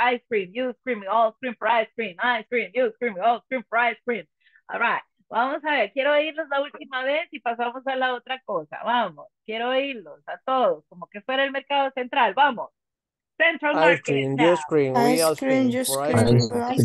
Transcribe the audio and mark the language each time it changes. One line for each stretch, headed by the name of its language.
English: Ice cream, you scream, we all scream for ice cream. Ice cream, you scream, we all scream for ice cream. All right.
Spanish: Vamos a ver, quiero oírlos la última vez y pasamos a la otra cosa. Vamos, quiero oírlos a todos, como que fuera el mercado central. Vamos. Central
English: ice Market. Ice cream, you scream, we all scream for ice cream.